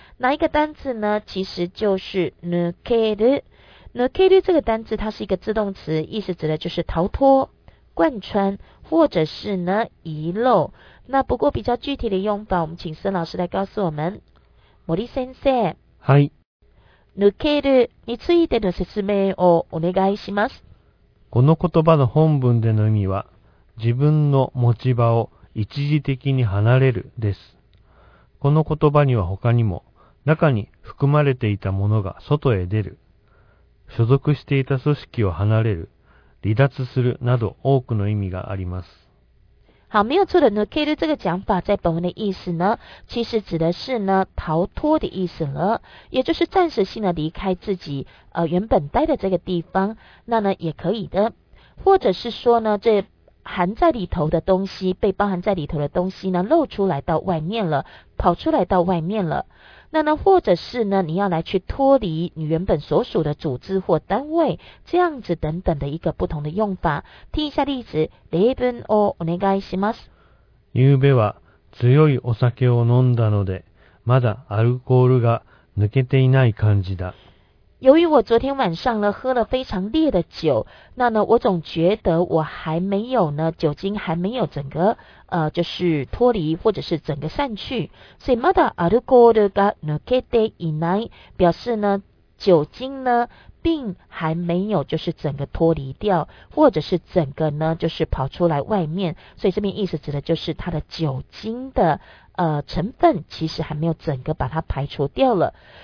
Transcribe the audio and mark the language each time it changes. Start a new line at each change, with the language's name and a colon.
Chinese: 哪一个单字呢？其实就是抜ける。抜ける这个单字它是一个自动词，意思指的就是逃脱、贯穿或者是呢遗漏。那不过比较具体的用法，我们请孙老师来告诉我们。
Japanese: 森先生。はい。抜けるについての説明をお願いします。この言葉の本文での意味は、自分の持ち場を一時的に離れるです。この言葉には他にも、中に含まれていたものが外へ出る、所属していた組織を離れる、離脱するなど多くの意味があります。
Chinese: 好，没有错的，抜ける这个讲法在本文的意思呢，其实指的是呢逃脱的意思了，也就是暂时性的离开自己原本待的这个地方，那呢也可以的，或者是说呢这。含在里头的东西，被包含在里头的东西呢，露出来到外面了，跑出来到外面了。那呢，或者是呢，你要来去脱离你原本所属的组织或单位，这样子等等的一个不同的用法。听一下例子，
Japanese: 例文をお願いします。昨夜は強いお酒を飲んだので、まだアルコールが抜けていない感じだ。
Chinese: 由于我昨天晚上呢喝了非常烈的酒，那呢我总觉得我还没有呢酒精还没有整个就是脱离或者是整个散去，所以
Japanese: まだアルコールが抜けていない
Chinese: 表示呢酒精呢并还没有就是整个脱离掉，或者是整个呢就是跑出来外面，所以这边意思指的就是它的酒精的成分其实还没有整个把它排除掉了。